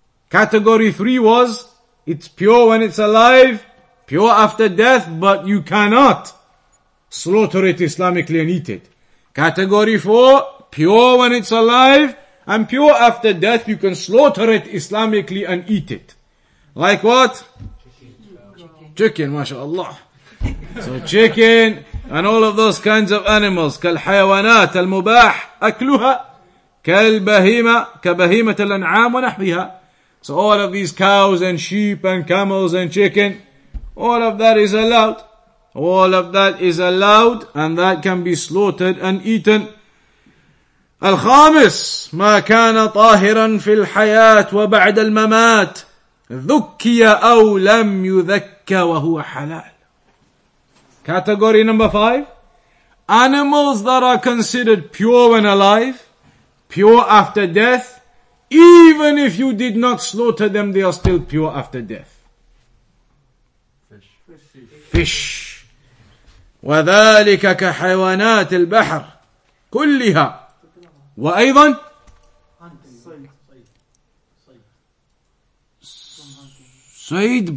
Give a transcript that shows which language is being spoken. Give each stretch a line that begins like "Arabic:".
English: Category three was, it's pure when it's alive, pure after death, but you cannot slaughter it Islamically and eat it. Category four, pure when it's alive and pure after death, you can slaughter it Islamically and eat it. Like what? Chicken, mashallah. So chicken and all of those kinds of animals.
Arabic: كالحيوانات المباح أكلها كالبهيمة كبهيمة الأنعام ونحبها.
English: So all of these cows and sheep and camels and chicken, all of that is allowed. All of that is allowed and that can be slaughtered and eaten.
Arabic: الخامس ما كان طاهرا في الحياة وبعد الممات ذكي أو لم يذكى وهو حلال.
English: Category number five. Animals that are considered pure when alive, pure after death. Even if you did not slaughter them, they are still pure after death. Fish.
Arabic: وذلك كحيوانات البحر كلها وأيضا صيد.